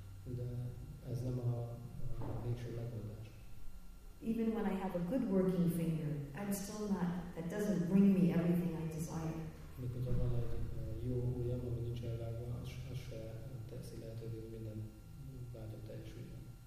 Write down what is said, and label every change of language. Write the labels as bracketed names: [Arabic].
[Hungarian] De ez nem a végső megoldás. [English] Even when I have a good working finger, I'm still not, that doesn't bring me everything I desire. [Hungarian] Mikor van egy jó ujjam, ami nincs elvágva, az se teszi lehetővé, hogy minden vágyam teljesüljön.